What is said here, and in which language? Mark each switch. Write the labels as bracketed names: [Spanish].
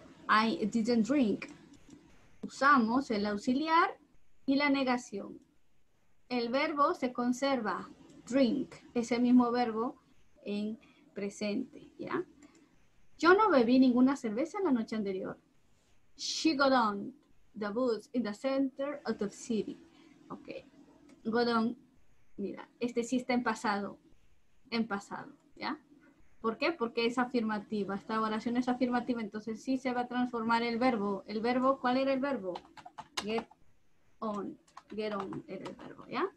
[English] I didn't drink. [Spanish] Usamos el auxiliar y la negación. El verbo se conserva, drink, ese mismo verbo en presente, ¿ya? Yo no bebí ninguna cerveza la noche anterior. [English] She got on the bus in the center of the city. Ok. [Spanish] Got on, mira, este sí está en pasado. En pasado, ¿ya? ¿Por qué? Porque es afirmativa. Esta oración es afirmativa, entonces sí se va a transformar el verbo. ¿El verbo? ¿Cuál era el verbo? Get on. Get on era el verbo, ¿ya?